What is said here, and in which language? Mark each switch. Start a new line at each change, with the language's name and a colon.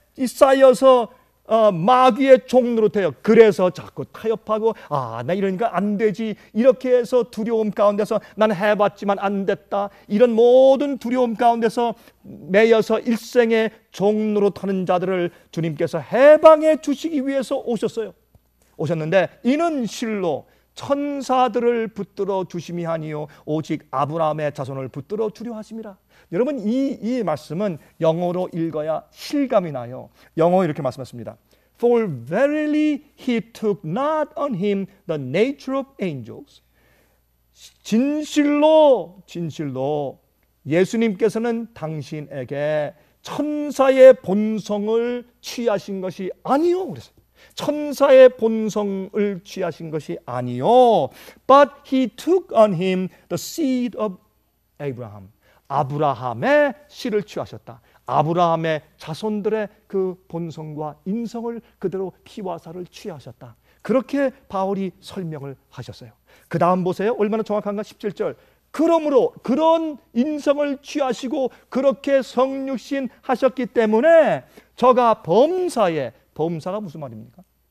Korean: 쌓여서 마귀의 종으로 되어 그래서 자꾸 타협하고 아, 나 이러니까 안 되지 이렇게 해서 두려움 가운데서 난 해봤지만 안 됐다 이런 모든 두려움 가운데서 매여서 일생의 종으로 타는 자들을 주님께서 해방해 주시기 위해서 오셨어요. 오셨는데 이는 실로 천사들을 붙들어 주심이 아니요 오직 아브라함의 자손을 붙들어 주려 하심이라. 여러분 이 말씀은 영어로 읽어야 실감이 나요. 영어 이렇게 말씀했습니다.
English: For verily he took not on him the nature of angels.
Korean: 진실로 예수님께서는 당신에게 천사의 본성을 취하신 것이 아니요. 그래서 천사의 본성을 취하신 것이 아니요.
English: But he took on him the seed of Abraham.
Korean: 아브라함의 씨를 취하셨다. 아브라함의 자손들의 그 본성과 인성을 그대로 피와 살을 취하셨다. 그렇게 바울이 설명을 하셨어요. 그 다음 보세요. 얼마나 정확한가? 17절. 그러므로 그런 인성을 취하시고 그렇게 성육신 하셨기 때문에 저가 범사에, 범사가 무슨 말입니까?